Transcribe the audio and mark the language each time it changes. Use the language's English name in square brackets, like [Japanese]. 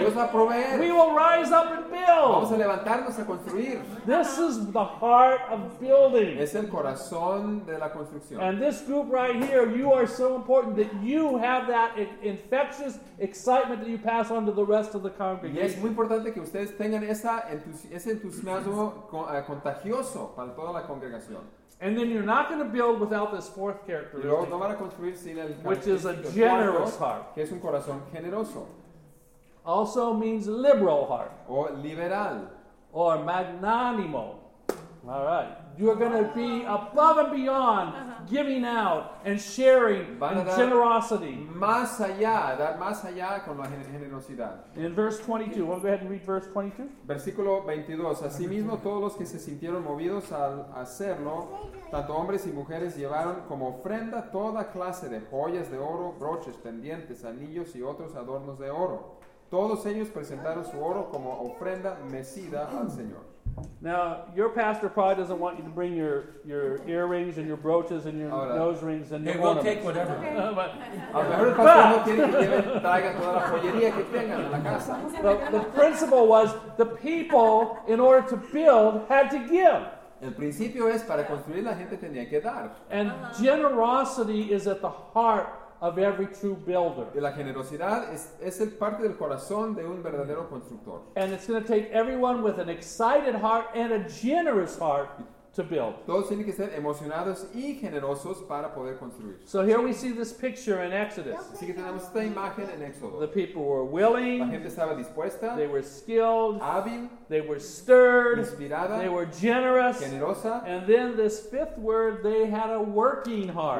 [Spanish] Dios va a proveer. [English] We will rise up and build. [Spanish] Vamos a levantarnos a construir. [English] This is the heart of building. [Spanish] Es el corazón de la construcción. [English] And this group right here, you are so important that you have that infectious excitement that you pass on to the rest of the congregation. [Spanish] Y es muy importante que ustedes tengan ese entusiasmo contagioso para toda la congregación. [English] And then you're not going to build without this fourth characteristic. [Spanish] Y luego no van a construir sin el [English] which is a generous heart. [Spanish] Que es un corazón generoso. [English] Also means liberal heart. [Spanish] O liberal. [English] Or magnanimo. All right. You're going to be above and beyond giving out and sharing and generosity. [Spanish] Más allá, dar más allá con la generosidad. [English] In verse 22, we'll go ahead and read verse 22. [Spanish] Versículo 22. Asimismo, todos los que se sintieron movidos al hacerlo, tanto hombres y mujeres, llevaron como ofrenda toda clase de joyas de oro, broches, pendientes, anillos y otros adornos de oro. Todos ellos presentaron su oro como ofrenda mecida al Señor. [English] Now, your pastor probably doesn't want you to bring your earrings and your brooches and your nose rings and your ornaments. Hey, we'll take whatever. Okay. But [Spanish] no quiere que traiga toda la joyería que tengan en la casa. [English] The principle was the people, in order to build, had to give. [Spanish] El principio es para construir la gente tenía que dar. [English] And generosity is at the heart of every true builder. [Spanish] La generosidad es el parte del corazón de un verdadero constructor. [English] And it's going to take everyone with an excited heart and a generous heart to build. [Spanish] Todos tienen que ser emocionados y generosos para poder construir. [English] So here we see this picture in Exodus. [Spanish] Así que tenemos esta imagen en Éxodo. [English] The people were willing. [Spanish] La gente estaba dispuesta. [English] They were skilled. [Spanish] Hábil. [English] They were stirred. [Spanish] Inspirada. [English] They were generous. [Spanish] Generosa. [English] And then this fifth word, they had a working heart.